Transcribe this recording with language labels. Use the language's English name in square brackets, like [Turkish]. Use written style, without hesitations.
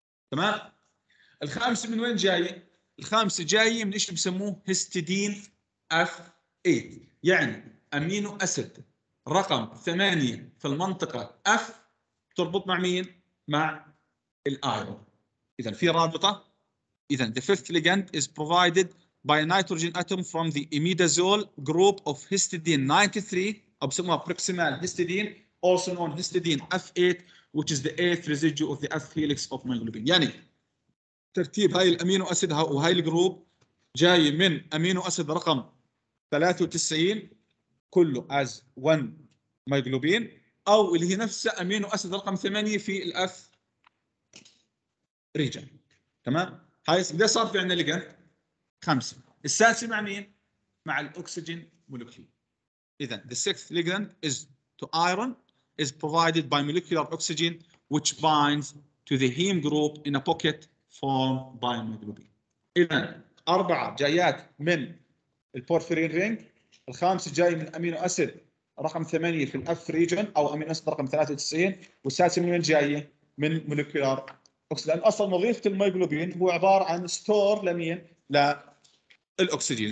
[Arabic] تمام, الخامس من وين جاي؟ الخامس جاي من ايش بسموه؟ هيستيدين اف 8, يعني امينو اسيد رقم 8 في المنطقه اف تربط مع مين؟ مع الايرون. اذا في رابطه. اذا [English] the fifth ligand is provided by a nitrogen atom from the imidazole group of histidine 93 [Arabic] او بسموها [English] proximal histidine also known histidine F8 which is the eighth residue of the F helix of myoglobin. [Arabic] يعني ترتيب هاي الامينو اسيد وهاي الجروب جاي من امينو اسيد رقم 93 كله [English] as one myoglobin, [Arabic] او اللي هي نفسها امينو اسيد رقم 8 في الاف ريجن. تمام, هاي بدي صار في عندنا ليجند خمسة. السادس مع مين؟ مع الأكسجين مولكيول. إذا [English] the sixth ligand is to iron is provided by molecular oxygen which binds to the heme group in a pocket formed by myoglobin. [Arabic] إذا أربعة جايات من البورفيرين رينج, الخامس جاي من أمينو أسيد رقم 8 في الأف ريجن أو أمينو أسيد رقم 93, والسادس من وين جاي؟ من molecular oxygen. لأن أصلا وظيفة الميوغلوبين هو عبارة عن ستور لمين؟ لا الاكسجين.